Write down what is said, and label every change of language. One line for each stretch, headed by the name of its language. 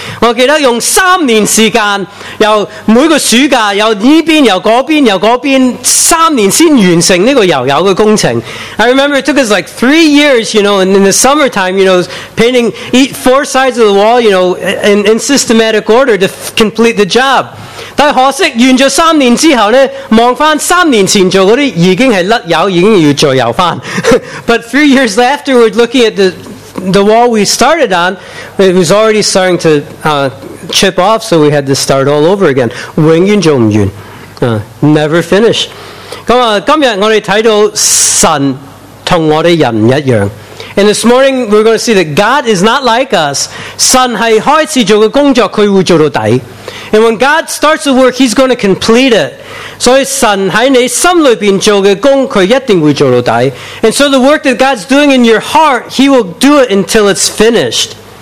Cantonese: 我记得用三年时间，由每个暑假，由呢边，由嗰边，由嗰边，三年先完成呢个油油嘅工程。
English: I remember it took us like 3 years, you know, and in the summertime, you know, painting four sides of the wall, you know, in systematic order. To complete the job.
Cantonese: 但可惜完咗三年之后呢，望返三年前做嗰啲已经係甩油，已经要再油返。
English: But 3 years afterward, looking at the wall we started on, it was already starting to chip off, so we had to start all over again.
Cantonese: 永远做唔完。
English: Never finish.
Cantonese: 咁今日我哋睇到神同我哋人一样。
English: And this morning we're going to see that God is not like us.
Cantonese: 神系开始做嘅工作，佢会做到底。
English: And when God starts the work, He's going to complete it.
Cantonese: 所以神喺你心里边做嘅工，佢一定会做到底。
English: And so the work that God's doing in your heart, He will do it until it's finished.